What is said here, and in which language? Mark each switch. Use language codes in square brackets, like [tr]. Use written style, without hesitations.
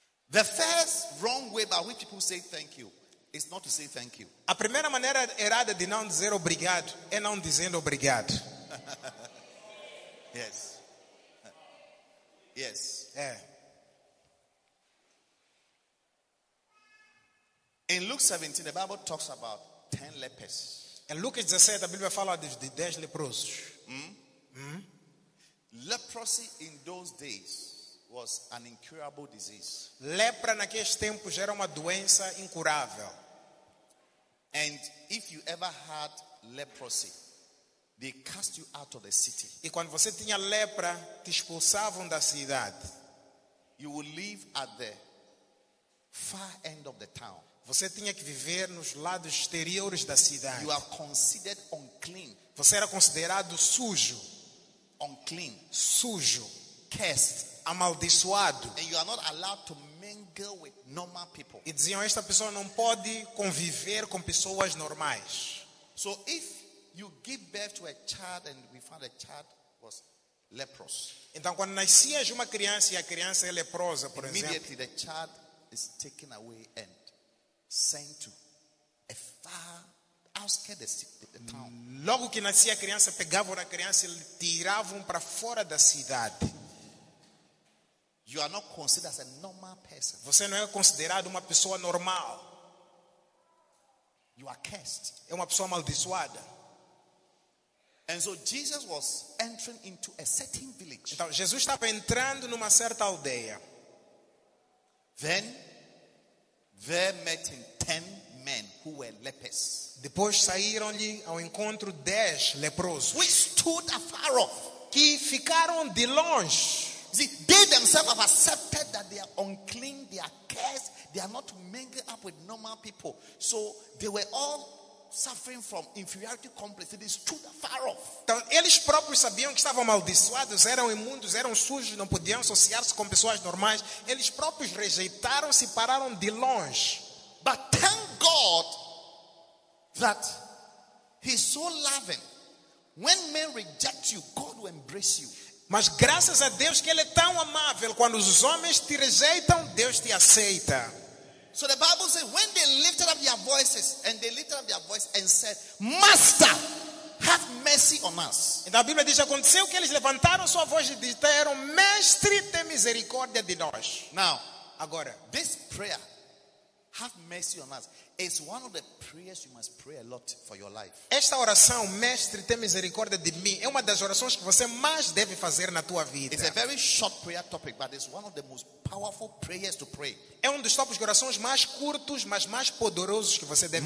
[en] The first wrong way by which people say thank you is not to say thank you. [pt] A primeira maneira errada de não dizer obrigado é não dizendo obrigado. [en] Yes. Yes. [pt] É. [en] In Luke 17, the Bible talks about 10 lepers. [pt] Em Lucas 17, a Bíblia fala de 10 leprosos. [en] Leprosy in those days was an incurable disease. [pt] Lepra naqueles tempos era uma doença incurável. [en] And if you ever had leprosy, they cast you out of the city. [pt] E quando você tinha lepra, te expulsavam da cidade. [en] You would live at the far end of the town. [pt] Você tinha que viver nos lados exteriores da cidade. [en] You are considered unclean. [pt] Você era considerado sujo. [en] Unclean. [pt] Sujo. [en] Cursed. [pt] Amaldiçoado. [en] And you are not allowed to mingle with normal people. [pt] E diziam, esta pessoa não pode conviver com pessoas normais. [en] So if you give birth to a child and we found a child was leprous. [pt] Então quando nascias uma criança e a criança é leprosa, por [en] immediately [pt] exemplo, [en] the child is taken away and sent to a far outskirts of the town. [pt] Logo que nascia a criança, pegavam a criança e tiravam para fora da cidade. [en] You are not considered as a normal person. [pt] Você não é considerado uma pessoa normal. [en] You are cursed. [pt] É uma pessoa amaldiçoada. [en] And so Jesus was entering into a certain village. [pt] Então Jesus estava entrando numa certa aldeia. [en] Then there met him 10 men who were lepers. [pt] Depois saíram-lhe ao encontro 10 leprosos. [en] Who stood afar off. [pt] Que ficaram de longe. [en] See, they themselves have accepted that they are unclean, they are cursed, they are not mingled up with normal people. So they were all suffering from inferiority complex. They stood afar off. [pt] Então, eles próprios sabiam que estavam amaldiçoados, eram imundos, eram sujos, não podiam associar-se com pessoas normais. Eles próprios rejeitaram-se e pararam de longe. [en] But thank God that He's so loving. When men reject you, God will embrace you. [pt] Mas graças a Deus que Ele é tão amável, quando os homens te rejeitam, Deus te aceita. [en] So the Bible says, when they lifted up their voices, and they lifted up their voice and said, Master, have mercy on us. [pt] Então a Bíblia diz, aconteceu que eles levantaram sua voz e disseram, Mestre, tem misericórdia de nós. [en] Now, [pt] agora, [en] this prayer, have mercy on us, is one of the prayers you must pray a lot for your life. [pt] Esta oração, Mestre, tem misericórdia de mim, é uma das orações que você mais deve fazer na tua vida. [en] It's a very short prayer topic, but it's one of the most powerful prayers to pray. [pt] É um dos tópicos de orações mais curtos, mas mais poderosos que você deve